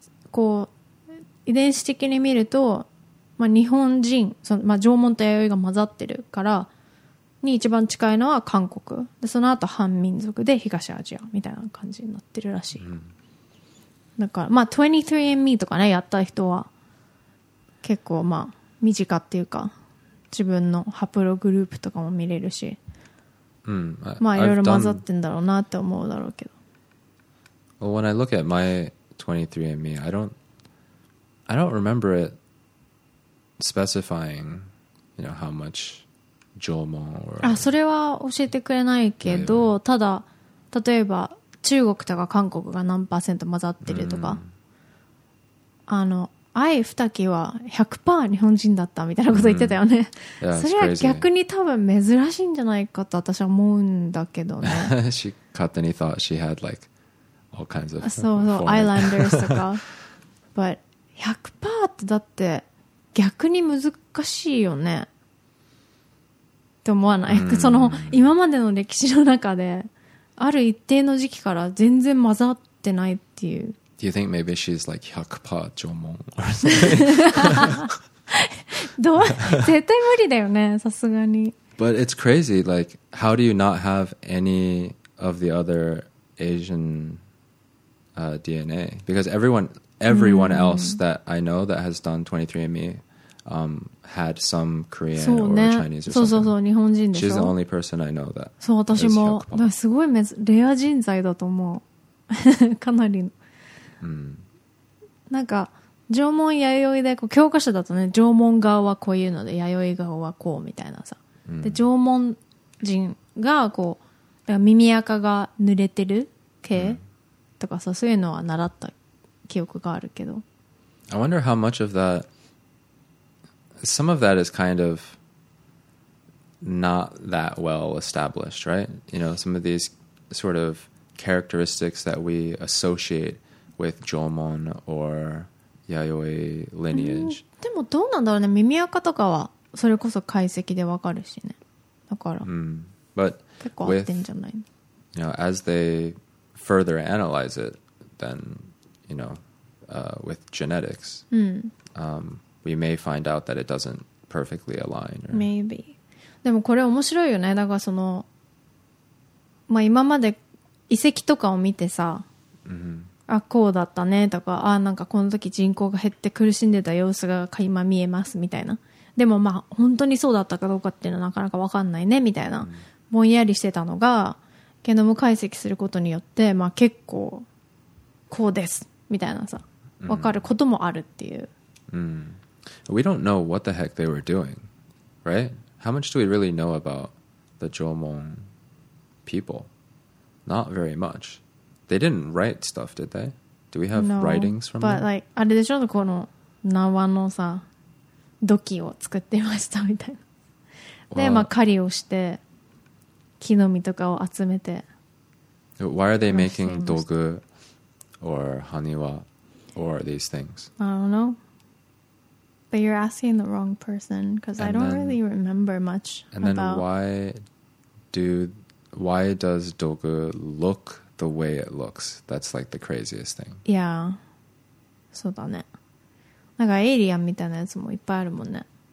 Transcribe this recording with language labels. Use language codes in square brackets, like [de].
[ja] こう遺伝子的に見ると、まあ、日本人その、まあ、縄文と弥生が混ざってるからに一番近いのは韓国でその後漢民族で東アジアみたいな感じになってるらしい、うん、だからまあ 23andMe とかねやった人は結構まあ身近っていうか自分のハプログループとかも見れるし、うん、まあいろいろ混ざってんだろうなって思うだろうけど。 [en] Well, when I look at my 23andMe, I don't remember it specifying, you know, how much 縄文 or [ja] あ、それは教えてくれないけど、ただ例えば中国とか韓国が何パーセント混ざってるとか、あの愛ふたきは 100% 日本人だったみたいなこと言ってたよね。それは逆に多分珍しいんじゃないかと私は思うんだけどね。 [en] She caught any thought she had like all kinds of [ja] そうそう、Islanders とか。 But 100% ってだって逆に難しいよねって思わない、うん、その今までの歴史の中である一定の時期から全然混ざってないっていう。 [en] Do you think maybe she's like 100% 縄文 or something? [ja] 絶対無理だよね、さすがに。 [en] But it's crazy, like, how do you not have any of the other Asian、DNA? Because everyone else that I know that has done 23andMe、had some Korean、ね、 or Chinese or something. [ja] そうそうそう、日本人でしょ。 [en] She's the only person I know that. [ja] そう、私も、だからすごいレア人材だと思う。かなりの。なんか縄文弥生でこう教科書だとね、縄文側はこういうので弥生側はこうみたいなさ、うん、で縄文人がこうだから耳垢が濡れてる系とかさ、うん、そういうのは習った記憶があるけど、 [en] I wonder how much of that some of that is kind of not that well established, right? You know, some of these sort of characteristics that we associateWith Jomon or Yayoi lineage. [ja] でもどうなんだろうね。耳垢とかはそれこそ解析でわかるしね。だから。 [en] Mm. But [ja] 結構合ってんじゃない。 [en] You know, as they further analyze it, then you know, with genetics,、うん we may find out that it doesn't perfectly align. Or... [ja] Maybe. でもこれ面白いよね。だからそのまあ今まで遺跡とかを見てさ。 Mm-hmm. あこうだったねとか、あなんかこの時人口が減って苦しんでた様子が今見えますみたいな、でもまあ本当にそうだったかどうかっていうのはなかなか分かんないねみたいな、ぼんやりしてたのがゲノム解析することによって、まあ、結構こうですみたいなさ、分かることもあるっていう、 [en] mm-hmm. We don't know what the heck they were doing, right? How much do we really know about the Jomon people? Not very muchThey didn't write stuff, did they? Do we have no, writings from but them? [ja] But like, あれでしょ、この縄のさ、土器を作ってましたみたいな。で、まあ狩りをして、木の実とかを集めて。 [en] Why are they making 道具 or 埴輪 or these things? I don't know. But you're asking the wrong person, because I don't then, really remember much and about... And then why does 道具 look... The way it looks, that's like the craziest thing. [ja] Yeah, そうだね。なんかエイリアンみたいなやつもいっぱいあるもんね。